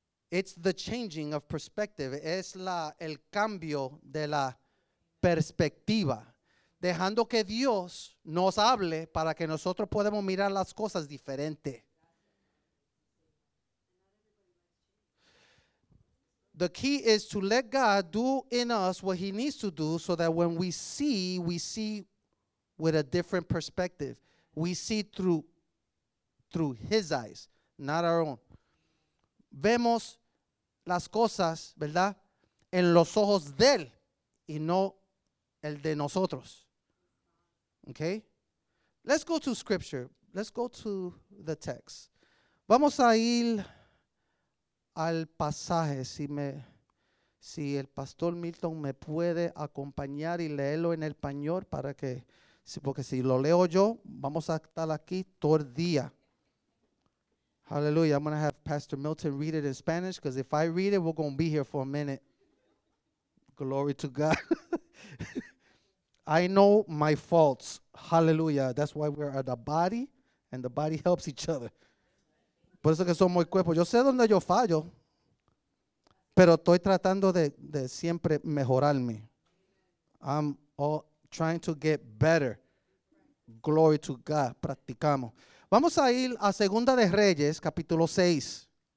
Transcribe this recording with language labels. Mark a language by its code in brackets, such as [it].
[en] It's the changing of perspective. [es] Es el cambio de la perspectiva. Dejando que Dios nos hable para que nosotros podamos mirar las cosas diferente. [en] The key is to let God do in us what he needs to do so that when we see with a different perspective. We see through his eyes, not our own. [es] Vemos las cosas, ¿verdad? En los ojos de él y no el de nosotros. [en] Okay? Let's go to scripture. Let's go to the text. [es] Vamos a ir al pasaje. Si el pastor Milton me puede acompañar y leerlo en español para que, porque si lo leo yo, vamos a estar aquí todo el día. [en] Hallelujah. I'm going to have Pastor Milton read it in Spanish because if I read it, we're going to be here for a minute. Glory to God. I know my faults. Hallelujah. That's why we're the body and the body helps each other. [es] Por eso que somos el cuerpo. Yo sé dónde yo fallo, pero estoy tratando de siempre mejorarme. [en] I'm all trying to get better. Glory to God. [es] Practicamos. Vamos a ir a Segunda de Reyes, capítulo 6.